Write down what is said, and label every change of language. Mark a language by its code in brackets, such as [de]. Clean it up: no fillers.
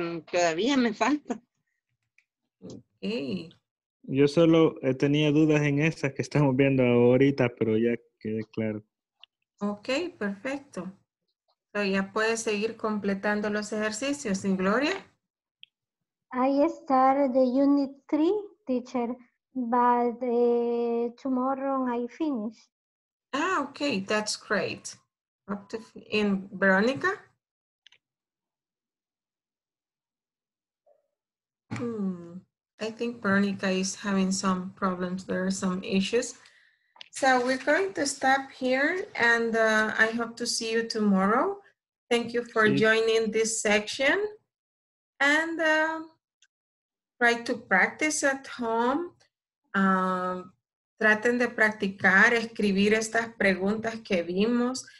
[es] Todavía me falta. Ok. Yo solo tenía dudas en esas que estamos viendo ahorita, pero ya quedé claro. Ok, perfecto. So ya puedes seguir completando los ejercicios, ¿sin Gloria? [en] I started the unit 3, teacher, but tomorrow I finish. Ah, ok, that's great. Up to in Veronica? I think Veronica is having some problems. There are some issues. So we're going to stop here and I hope to see you tomorrow. Thank you for joining this section and try to practice at home. [es] Traten de practicar, escribir estas preguntas que vimos.